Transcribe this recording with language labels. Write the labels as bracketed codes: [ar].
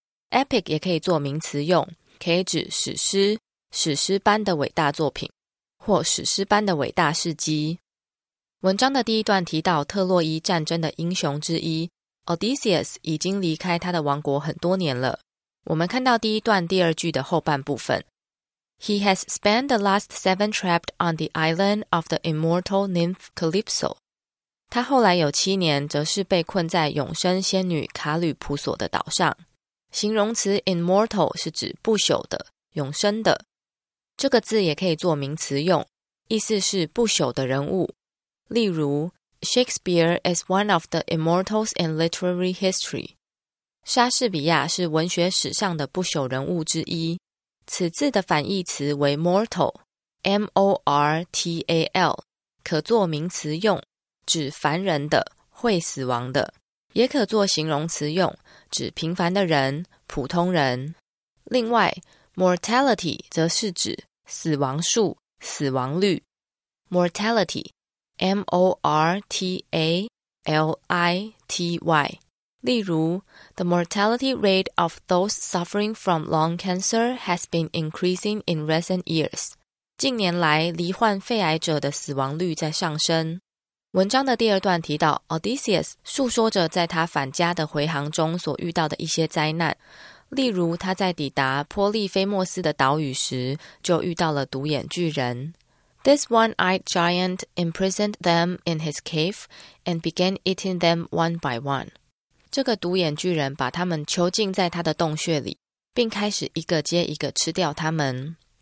[zh] Epic 也可以做名词用，可以指史诗、史诗般的伟大作品，或史诗般的伟大事迹。文章的第一段提到特洛伊战争的英雄之一 Odysseus 已经离开他的王国很多年了。我们看到第一段第二句的后半部分。 [en] He has spent the last seven trapped on the island of the immortal nymph Calypso. [zh] 他后来有七年则是被困在永生仙女卡吕普索的岛上。形容词 immortal 是指不朽的、永生的。这个字也可以做名词用，意思是不朽的人物。例如 [en] Shakespeare is one of the immortals in literary history. [zh] 莎士比亚是文学史上的不朽人物之一。此字的反义词为 mortal, M-O-R-T-A-L, 可做名词用，指凡人的、会死亡的，也可做形容词用，指平凡的人、普通人。另外 mortality 则是指死亡数、死亡率。 [en] mortality, M-O-R-T-A-L-I-T-Y。 [zh] 例如 [en] The mortality rate of those suffering from lung cancer has been increasing in recent years. [zh] 近年来罹患肺癌者的死亡率在上升。文章的第二段提到 Odysseus 述说着在他返家的回航中所遇到的一些灾难，例如他在抵达波利菲莫斯的岛屿时就遇到了独眼巨人。 [en] This one-eyed giant imprisoned them in his cave and began eating them one by one. [zh] 这个独眼巨人把他们囚禁在他的洞穴里，并开始一个接一个吃掉他们。